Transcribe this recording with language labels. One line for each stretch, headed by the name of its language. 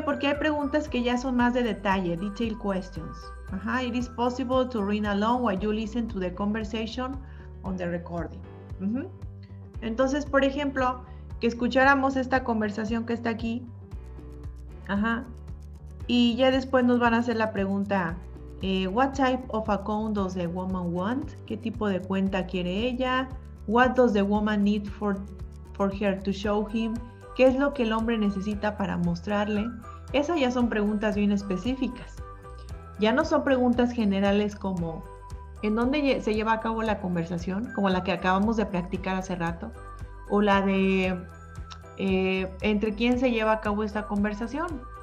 Spanish: Porque hay preguntas que ya son más de detalle, detail questions.
English: It is possible to read along while you listen to the conversation on the recording.
Spanish: Entonces, por ejemplo, que escucháramos esta conversación que está aquí. Y ya después nos van a hacer la pregunta,
English: what type of account does the woman want?
Spanish: ¿Qué tipo de cuenta quiere ella?
English: What does the woman need for her to show him?
Spanish: ¿Qué es lo que el hombre necesita para mostrarle? Esas ya son preguntas bien específicas. Ya no son preguntas generales como, ¿en dónde se lleva a cabo la conversación? Como la que acabamos de practicar hace rato. O la de, ¿entre quién se lleva a cabo esta conversación?